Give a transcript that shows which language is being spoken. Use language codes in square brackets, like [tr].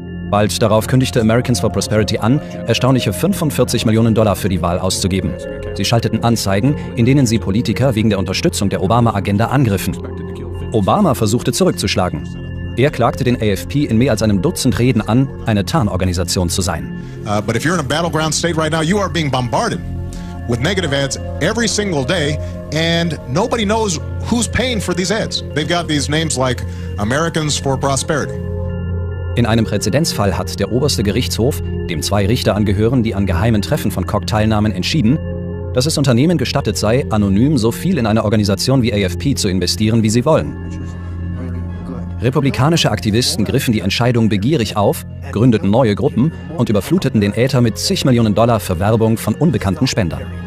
[de] Bald darauf kündigte Americans for Prosperity an, erstaunliche 45 Millionen Dollar für die Wahl auszugeben. Sie schalteten Anzeigen, in denen sie Politiker wegen der Unterstützung der Obama-Agenda angriffen. Obama versuchte zurückzuschlagen. Er klagte den AFP in mehr als einem Dutzend Reden an, eine Tarnorganisation zu sein. [en] But if you're in a battleground state right now, you are being bombarded with negative ads every single day and nobody knows who's paying for these ads. They've got these names like Americans for Prosperity. [de] In einem Präzedenzfall hat der oberste Gerichtshof, dem zwei Richter angehören, die an geheimen Treffen von Koch teilnahmen, entschieden, dass es Unternehmen gestattet sei, anonym so viel in eine Organisation wie AFP zu investieren, wie sie wollen. Republikanische Aktivisten griffen die Entscheidung begierig auf, gründeten neue Gruppen und überfluteten den Äther mit zig Millionen Dollar für Werbung von unbekannten Spendern.